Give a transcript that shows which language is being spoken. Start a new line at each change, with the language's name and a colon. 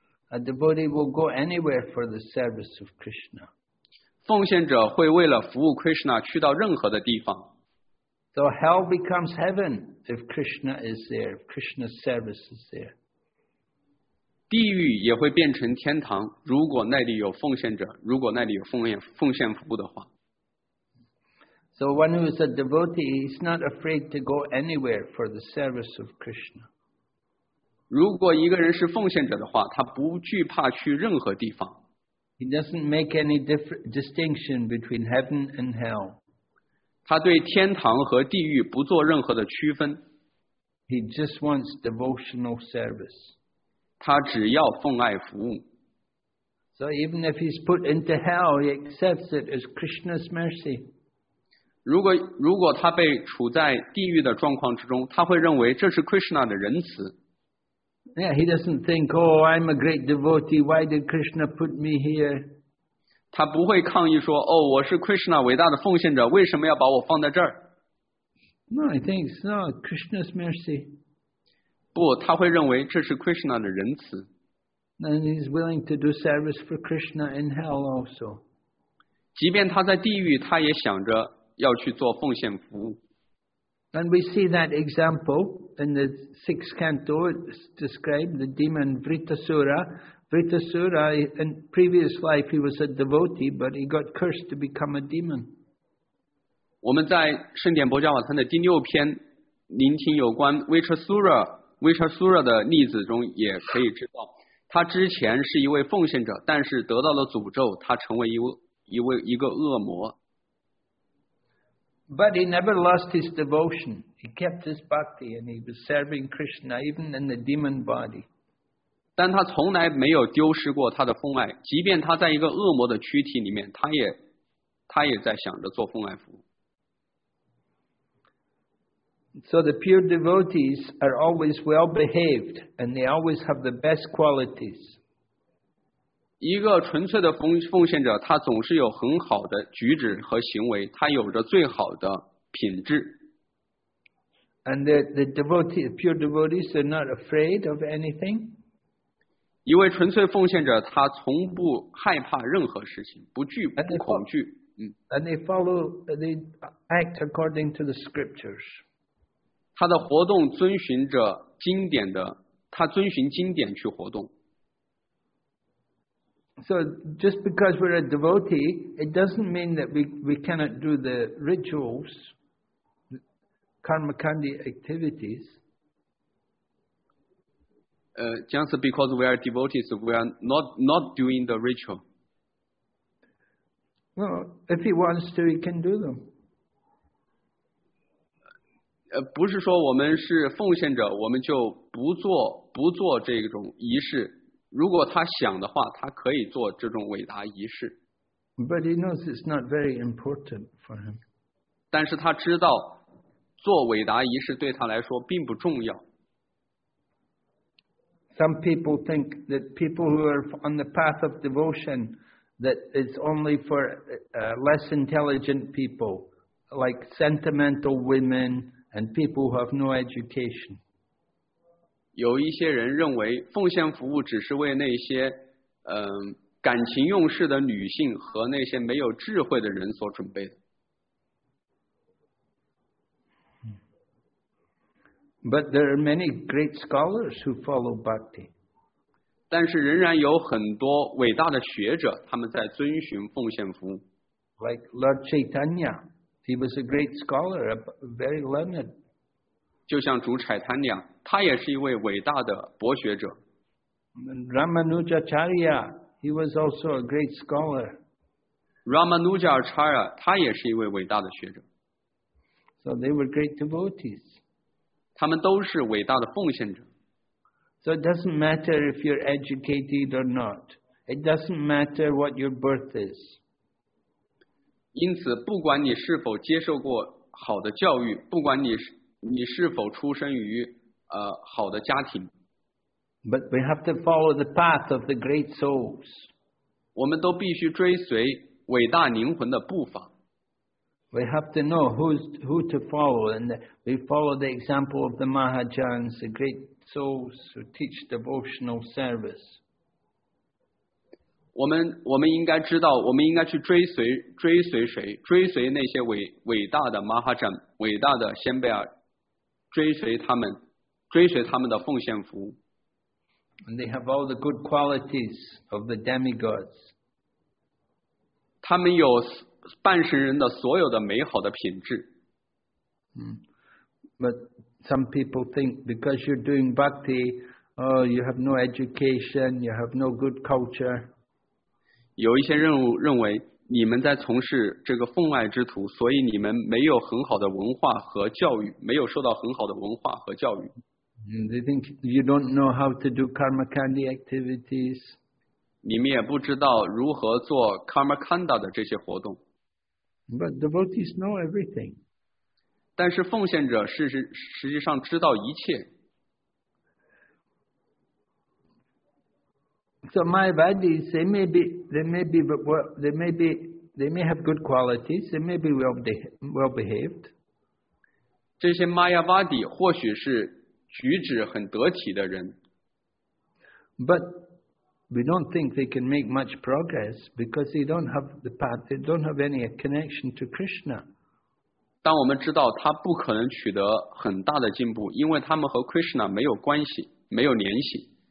English: A devotee will go anywhere for the service of Krishna.
Chinese: 奉献者会为了服务 Krishna 去到任何的地方。
English: So hell becomes heaven if Krishna is there, if Krishna's service is there.
Chinese: 地狱也会变成天堂，如果那里有奉献者，如果那里有奉献服务的话。
English: So one who is a devotee is not afraid to go anywhere for the service of Krishna.
Chinese: 如果一个人是奉献者的话，他不惧怕去任何地方。
English: He doesn't make any distinction between heaven and hell.
Chinese: 他对天堂和地狱不做任何的区分。
English: He just wants devotional service.
Chinese: 他只要奉爱服务。
English: So even if he's put into hell, he accepts it as Krishna's mercy.
Chinese: 如果他被处在地狱的状况之中，他会认为这是 Krishna 的仁慈。
English: Yeah, he doesn't think, oh, I'm a great devotee. Why did Krishna put me here?
Chinese: 他不会抗议说，哦，我是 Krishna 伟大的奉献者，为什么要把我放在这儿？
English: No, I think it's not Krishna's mercy.
Chinese: 不，他会认为这是 Krishna 的仁慈。
English: And he's willing to do service for Krishna in hell also.
Chinese: 即便他在地狱，他也想着要去做奉献服务。
English: And we see that example in the sixth canto. It's described the demon Vritasura. Vritasura, in previous life, he was a devotee, but he got cursed to become a demon.
Chinese: 我们在圣典薄伽瓦参的第六篇聆听有关 Vritasura 的例子中也可以知道，他之前是一位奉献者，但是得到了诅咒，他成为一个恶魔。
English: But he never lost his devotion. He kept his bhakti and he was serving Krishna even in the demon body.
Chinese: 但他从来没有丢失过他的奉爱，即便他在一个恶魔的躯体里面，他也在想着做奉爱服务。
English: So the pure devotees are always well behaved and they always have the best qualities.
Chinese: 一个纯粹的奉献者，他总是有很好的举止和行为，他有着最好的品质。
English: And the devotee, pure devotees are not afraid of anything.
Chinese: 一位纯粹奉献者，他从不害怕任何事情，不惧不恐惧。
English: And they follow, they act according to the scriptures.
Chinese: 他的活动遵循着经典的，他遵循经典去活动。
English: So just because we're a devotee, it doesn't mean that we cannot do the rituals, karmakandi activities. Just because we are devotees, we are not doing the ritual. Well, if he wants to, he can do them.
Chinese: 不是说我们是奉献者，我们就不做这种仪式。如果他想的话，他可以做这种伟大仪式。
English: But he knows it's not very important for him.
Chinese: 但是他知道做伟大仪式对他来说并不重要。
English: Some people think that people who are on the path of devotion that it's only for less intelligent people, like sentimental women and people who have no education.
Chinese: 有一些人认为奉献服务只是为那些感情用事的女性和那些没有智慧的人所准备的。
English: But there are many great scholars who follow bhakti.
Chinese: 但是仍然有很多伟大的学者，他们在遵循奉献服务。
English: Like Lord Chaitanya, he was a great scholar, a very learned.
Chinese: 就像主柴坦尼亚，他也是一位伟大的博学者。
English: Ramanujacharya, he was also a great scholar.
Chinese: Ramanujacharya, 他也是一位伟大的学者。
English: So they were great devotees.
Chinese: 他们都是伟大的奉献者。
English: So it doesn't matter if you're educated or not. It doesn't matter what your birth is.
Chinese: 因此，不管你是否接受过好的教育，不管你是否出生于好的家庭
English: ？But we have to follow the path of the great souls.
Chinese: 我们都必须追随伟大灵魂的步伐。
English: We have to know who to follow, and we follow the example of the Mahajans, the great souls who teach devotional service.
Chinese: 我们应该知道，我们应该去追随谁？追随那些伟大的 Mahajan, 伟大的先辈儿。追随他们的奉献服务。
English: And they have all the good qualities of the demigods.
Chinese: 他们有半神人的所有的美好的品质。
English: But some people think because you're doing bhakti, oh, you have no education, you have no good culture.
Chinese: 有一些人认为你们在从事这个奉爱之徒，所以你们没有很好的文化和教育，没有受到很好的文化和教育。
English: They think you don't know how to do karmakandi activities.
Chinese: 你们也不知道如何做 karmakanda 的这些活动。
English: But devotees know everything.
Chinese: 但是奉献者实际上知道一切。
English: So Mayavadis, they may have good qualities. They may be well behaved.
Chinese: 这些 Mayavadi 或许是举止很得体的人。
English: But we don't think they can make much progress because they don't have the path, they don't have any connection to Krishna.
Chinese: 但我们知道他不可能取得很大的进步，因为他们和 Krishna 没有关系，没有联系。